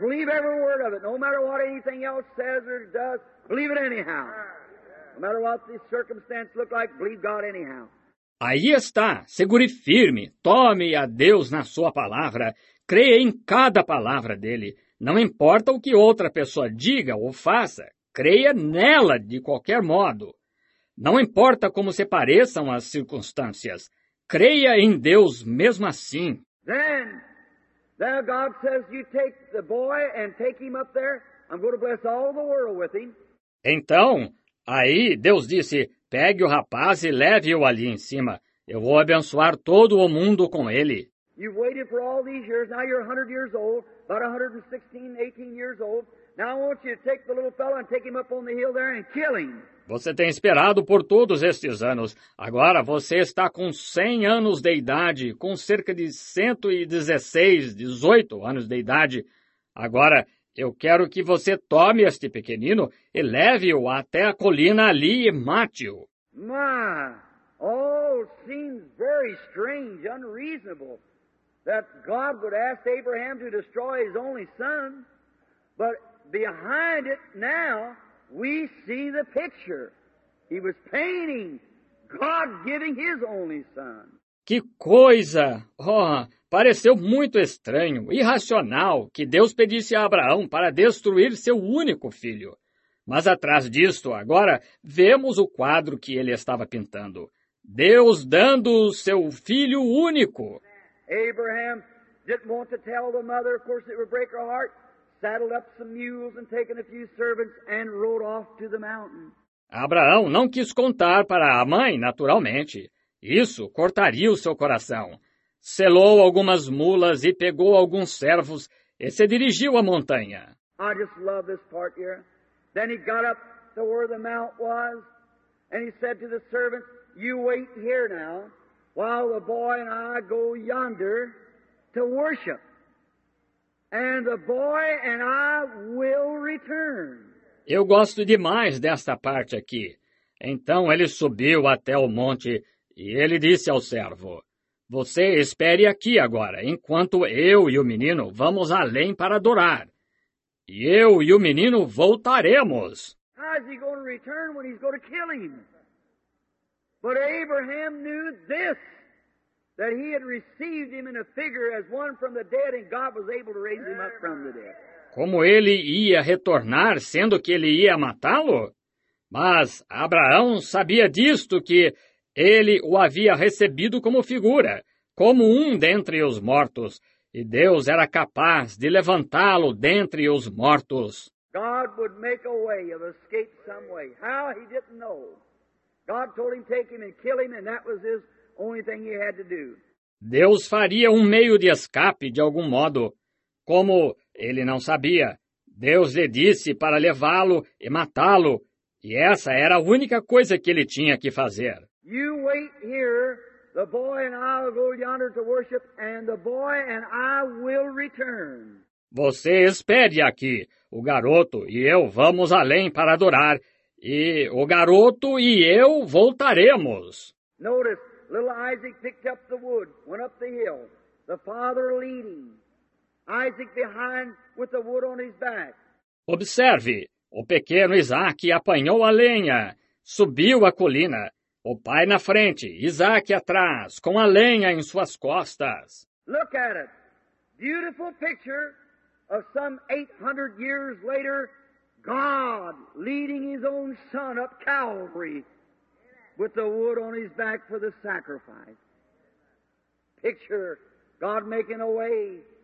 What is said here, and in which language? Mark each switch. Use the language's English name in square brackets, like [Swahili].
[English] Believe every word of it. No matter what anything else says or does, believe it anyhow. No matter what the circumstances look like, believe God anyhow. [Portuguese] Aí está. Segure firme. Tome a Deus na sua palavra. Creia em cada palavra dele. Não importa o que outra pessoa diga ou faça. Creia nela de qualquer modo. Não importa como se pareçam as circunstâncias. Creia em Deus mesmo assim. [English] Then, there God says, you take the boy and take him up there. I'm going to bless all the world with him. [Portuguese] Então, aí Deus disse, pegue o rapaz e leve-o ali em cima. Eu vou abençoar todo o mundo com ele. [English] You've waited for all these years. Now you're 100 years old, about 116, 18 years old. Now I want you to take the little fellow and take him up on the hill there and kill him. [Portuguese] Você tem esperado por todos estes anos. Agora você está com 100 anos de idade, com cerca de 116, 18 anos de idade. Agora eu quero que você tome este pequenino e leve-o até a colina ali e mate-o. [English] My, all seems very strange, unreasonable, that God would ask Abraham to destroy his only son, but behind it now, we see the picture. He was painting God giving his only son. [Portuguese] Que coisa! Oh, pareceu muito estranho, irracional, que Deus pedisse a Abraão para destruir seu único filho. Mas atrás disto, agora, vemos o quadro que ele estava pintando. Deus dando o seu filho único. [English] Abraham didn't want to tell the mother, of course it would break her heart, saddled up some mules and taken a few servants and rode off to the mountain. [Portuguese] Abraão não quis contar para a mãe, naturalmente. Isso cortaria o seu coração. Selou algumas mulas e pegou alguns servos e se dirigiu à montanha. [English] I just love this part here. Then he got up to where the mount was and he said to the servants, you wait here now while the boy and I go yonder to worship. And the boy and I will return. [Portuguese] Eu gosto demais desta parte aqui. Então ele subiu até o monte e ele disse ao servo, você espere aqui agora, enquanto eu e o menino vamos além para adorar. E eu e o menino voltaremos. [English] How is he going to return when he's going to kill him? But Abraham knew this, that he had received him in a figure as one from the dead, and God was able to raise him up from the dead. [Portuguese] Como ele ia retornar, sendo que ele ia matá-lo? Mas Abraão sabia disto, que ele o havia recebido como figura, como um dentre os mortos, e Deus era capaz de levantá-lo dentre os mortos. [English] God would make a way of escape some way. How, he didn't know. God told him, take him and kill him, and that was his only thing he had to do. [Portuguese] Deus faria um meio de escape de algum modo. Como ele não sabia, Deus lhe disse para levá-lo e matá-lo, e essa era a única coisa que ele tinha que fazer. [English] You wait here, the boy and I will go yonder to worship, and the boy and I will return. [Portuguese] Você espere aqui, o garoto e eu vamos além para adorar, e o garoto e eu voltaremos. [English] Notice, little Isaac picked up the wood, went up the hill, the father leading. Isaac behind with the wood on his back. [Portuguese] Observe, o pequeno Isaac apanhou a lenha, subiu a colina. O pai na frente, Isaac atrás, com a lenha em suas costas. [English] Look at it. Beautiful picture of some 800 years later, God leading his own son up Calvary with the wood on his back for the sacrifice. Picture God making a way.